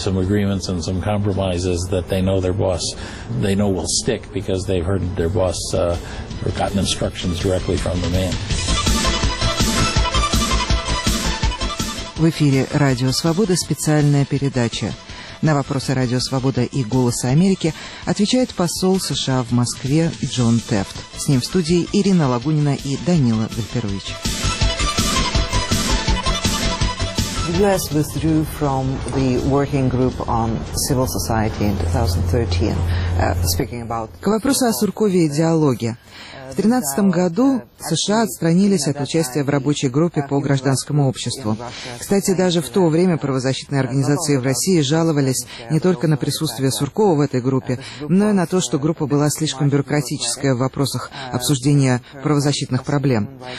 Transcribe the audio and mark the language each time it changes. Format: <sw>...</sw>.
<en>Agreements and some compromises that they know their boss, they know will stick because they've heard their boss or gotten instructions directly from the man.</en> <ru>В эфире Радио Свобода, специальная передача. На вопросы Радио Свобода и Голоса Америки отвечает посол США в Москве Джон Тефт. С ним в студии Ирина Лагунина и Данила Гальперович.</ru> <en>U.S. withdrew from the working group on civil society in 2013, speaking about...</en> <ru>К вопросу о Суркове и диалоге. В 2013 году США отстранились от участия в рабочей группе по гражданскому обществу. Кстати, даже в то время правозащитные организации в России жаловались не только на присутствие Суркова в этой группе, но и на то, что группа была слишком бюрократическая в вопросах обсуждения правозащитных проблем.</ru>